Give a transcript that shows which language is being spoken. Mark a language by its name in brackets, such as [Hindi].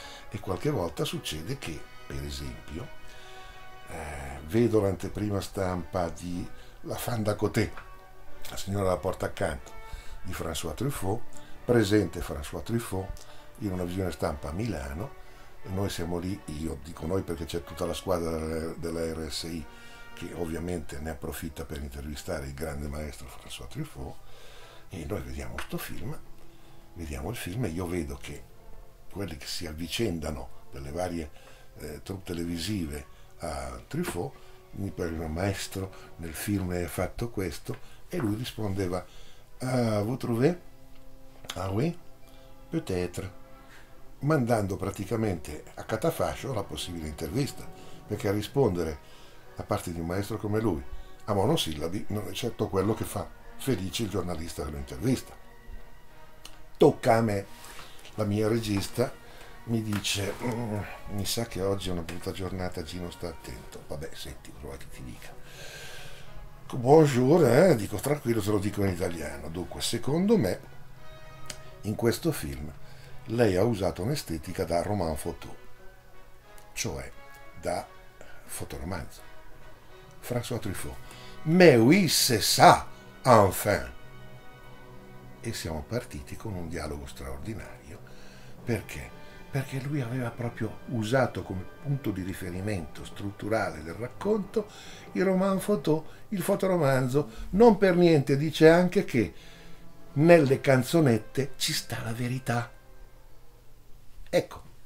[Italian] E qualche volta succede che, per esempio, vedo l'anteprima stampa di La Fanda Côté, La signora alla porta accanto, di François Truffaut, presente François Truffaut in una visione stampa a Milano, e noi siamo lì, io dico noi perché c'è tutta la squadra della RSI che ovviamente ne approfitta per intervistare il grande maestro François Truffaut, e noi vediamo questo film, vediamo il film, e io vedo che quelli che si avvicendano delle varie troupe televisive a Truffaut mi parlano: maestro, nel film è fatto questo. E lui rispondeva: [French] vous trouvez? Ah oui? Peut-être. [Italian] Mandando praticamente a catafascio la possibile intervista, perché a rispondere, a parte di un maestro come lui, a monosillabi, non è certo quello che fa felice il giornalista dell'intervista. Tocca a me, la mia regista mi dice: mi sa che oggi è una brutta giornata, Gino, sta attento. Vabbè, senti, prova che ti dica. Buongiorno, dico tranquillo, te lo dico in italiano. Dunque, secondo me, in questo film lei ha usato un'estetica da roman photo, cioè da fotoromanzo. [French] François Truffaut: mais oui, c'est ça, enfin. [Italian] E siamo partiti con un dialogo straordinario. Perché? Perché lui aveva proprio usato come punto di riferimento strutturale del racconto il roman photo, il fotoromanzo. Non per niente dice anche che nelle canzonette ci sta la verità. Ecco,